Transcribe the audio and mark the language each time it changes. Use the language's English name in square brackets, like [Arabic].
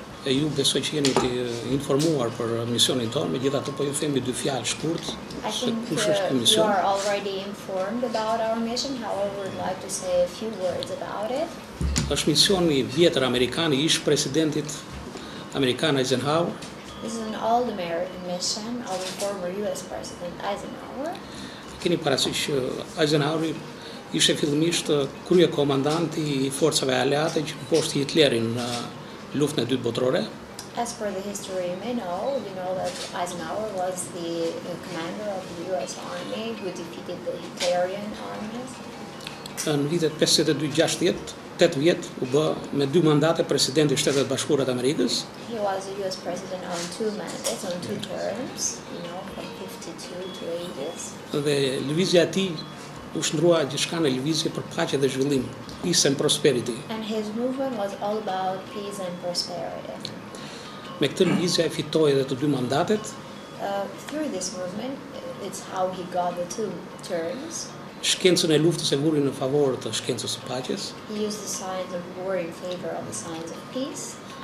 [Albanian] E ju besoj që jeni të informuar për misionin tonë, megjithatë po ju themi dy fjalë shkurt. [English] You are already informed about our mission, however, would like to say a few words about it. [Albanian] Është mision I vjetër amerikan I ish presidentit amerikan Eisenhower. [English] This is an old American mission of the former US President Eisenhower. [Albanian] Keni parasysh që Eisenhower ishte fillimisht krye komandanti I forcave aleate që poshtë Hitlerin në luftën e dytë botërore. [English] As per the history you may know, you know that Eisenhower was the commander of the US Army who defeated the Hitlerian armies. [Albanian] Në vitet 52-60, 8 vjet u bë me dy mandate presidenti I Shtetit Bashkuar të Amerikës. [English] He was a US president on two mandates, on two terms, you know, from 52 to 80s. [Albanian] Dhe lëvizja e tij u shndrua gjithçka në lëvizje për paqe dhe zhvillim, [English] peace and prosperity. And his movement was all about peace and prosperity. [Albanian] Me këtë lëvizje e fitoi edhe të dy mandatet. [English] Through this movement, it's how he got the two terms. [Albanian] Shkencën e luftës e vuri në favor të shkencës së paqes. [English] He used the science of war in favor of the science of peace.